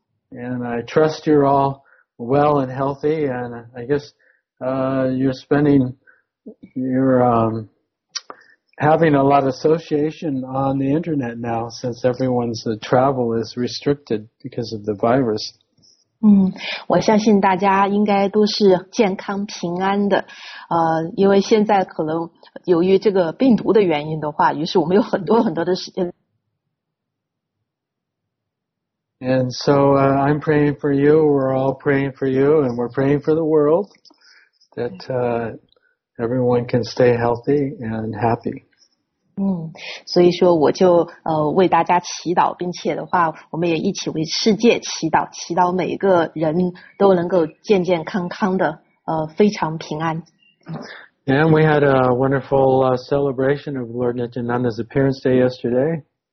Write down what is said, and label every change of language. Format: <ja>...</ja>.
<en>And I trust you're all well and healthy, and I guess, you're spending. You're having a lot of association on the internet now since everyone's travel is restricted because of the virus.</en> <zh>我相信大家应该都是健康平安的。因为现在可能由于这个病毒的原因的话，于是我们有很多很多的时间。</zh> <en>And so, I'm praying for you, we're all praying for you, and we're praying for the world that, Everyone can stay healthy and happy.</en> <zh>所以说我就为大家祈祷，并且的话，我们也一起为世界祈祷，祈祷每一个人都能够健健康康的，非常平安。</zh> <en>And we had a wonderful celebration of Lord Nityananda's appearance day yesterday.</en>